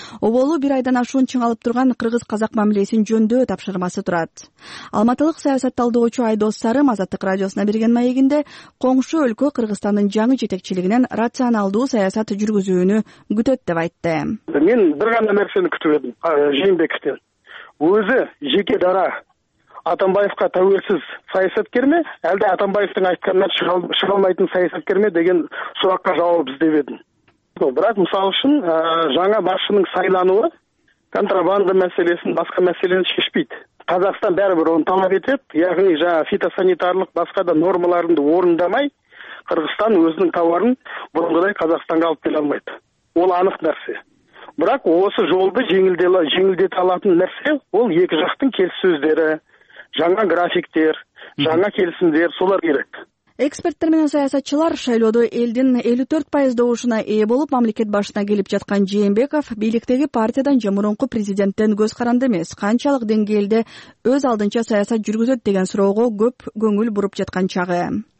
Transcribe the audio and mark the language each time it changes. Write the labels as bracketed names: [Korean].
[Kyrgyz] Оболу бир айдан ашуун чыңалып турган кыргыз-казак мамилесин жөндөө тапшырмасы турат. Алматылык саясат талдоочу Айдос Сарым Азаттык радиосуна берген маегинде коңшу өлкө Кыргызстандын жаңы жетекчилигинен рационалдуу саясат жүргүзүүнү күтөт деп айтты. Мен бир гана нерсени күтүп эдим Жээнбековтен. [Kazakh] Өзү жеке дара Атамбаевка тәуелсіз саясаткер ме, әлде Атамбаевтың айтқанына шығалмайтын саясаткер ме деген сұраққа жауап іздеп едім. Бірақ мысалы үшін жаңа басшының сайлануы контрабанда мәселесін, басқа мәселені шешпейді. Қазақстан бәрібір оны талап етеді, яғни жаңа фитосанитарлық басқа да нормаларынды орындамай, Қырғызстан өзінің тауарын бұрынғыдай Қазақстанға алып келе алмайды. Ол анық нәрсе. Бірақ осы жолды жеңілдете алатын нәрсе ол екі жақтың келіссөздері. Жаңа графиктер, жаңа келісімдер, солар керек. [Kyrgyz] Эксперттер менен саясатчылар шайлоодо элдин 54% добушуна ээ болуп мамлекет башына келип жаткан Жээнбеков бийликтеги партиядан же мурунку президенттен көз каранды эмес, канчалык деңгээлде өз алдынча саясат жүргүзөт деген суроого көп көңүл буруп жаткан чагы.